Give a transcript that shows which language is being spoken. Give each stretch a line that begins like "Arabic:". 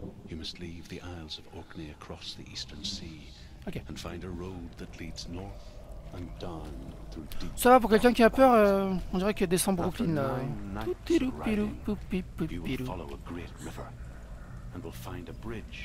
English: You must leave the Isles of Orkney across the Eastern Sea and find a road that leads north and down through deep.
French: Ça va pour quelqu'un qui a peur, on dirait qu'il descend Brooklyn là.
English: You will follow a great river and will find a bridge.